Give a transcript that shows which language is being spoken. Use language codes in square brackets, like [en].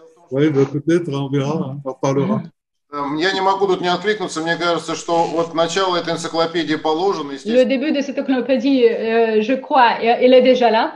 [fr] Oui, bah, peut-être, on verra, hein, on parlera. [ru] Я не могу тут не откликнуться. Мне кажется, что вот начало этой энциклопедии положено. [fr] Le début de cette encyclopédie, je crois, il est déjà là.